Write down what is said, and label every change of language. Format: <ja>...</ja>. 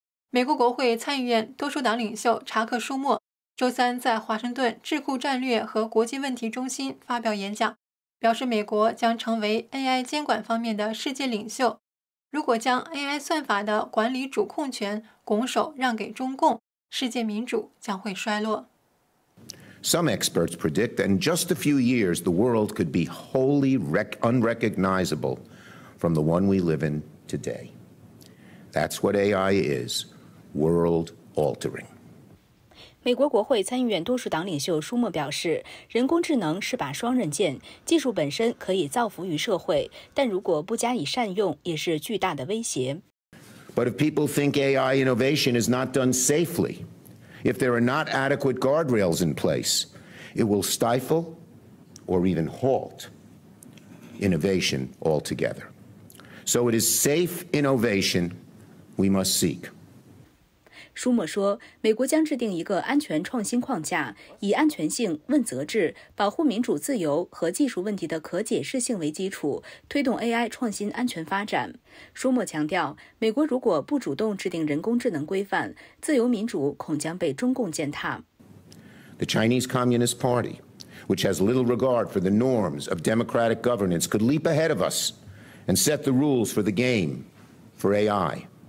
<zh>美国国会参议院多数党领袖查克·舒默周三在华盛顿智库战略和国际问题中心发表演讲，表示美国将成为 AI 监管方面的世界领袖，如果将 AI 算法的管理主控权拱手让给中共，世界民主将会衰落。</zh> <en>Some experts predict that in just a few years, the world could be wholly unrecognizable from the one we live in today. That's what AI is, world altering.</en> <zh>美国国会参议院多数党领袖舒默表示，人工智能是把双刃剑，技术本身可以造福于社会，但如果不加以善用，也是巨大的威胁。</zh> <en>But if people think AI innovation is not done safely, if there are not adequate guardrails in place, it will stifle or even halt innovation altogether. So it is safe innovation we must seek.</en> <zh>舒默说，美国将制定一个安全创新框架，以安全性、问责制、保护民主自由和技术问题的可解释性为基础，推动 AI 创新安全发展。舒默强调，美国如果不主动制定人工智能规范，自由民主恐将被中共践踏。</zh> <en>The Chinese Communist Party, which has little regard for the norms of democratic governance, could leap ahead of us and set the rules for the game for AI.</en>